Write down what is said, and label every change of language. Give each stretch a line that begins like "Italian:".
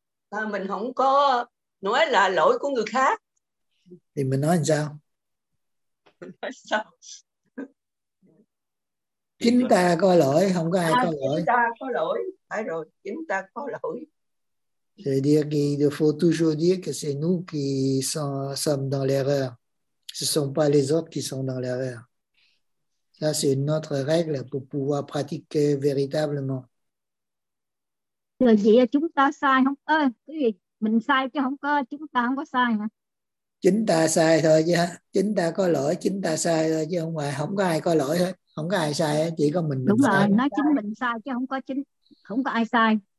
Vietnamese: À, mình không có nói là lỗi của người khác. Thì mình nói làm sao? Nói sao? Chính ta có lỗi, không có ai có lỗi. Chính ta có lỗi, phải rồi, chính ta có lỗi.
French: C'est-à-dire qu'il faut toujours dire que c'est nous qui sommes dans l'erreur. Ce ne sont pas les autres qui sont dans l'erreur. Ça, c'est une autre règle pour pouvoir pratiquer véritablement.
Vietnamese: Người gì là chúng ta sai không? Ơ, cái gì? Mình sai chứ không có, chúng ta không có sai mà. Chính ta sai thôi chứ. Chính ta có lỗi, chính ta sai thôi chứ không phải không có ai có lỗi hết, không có ai sai hết, chỉ có mình. Đúng mình rồi, nói chính mình sai chứ không có chính, không có ai sai.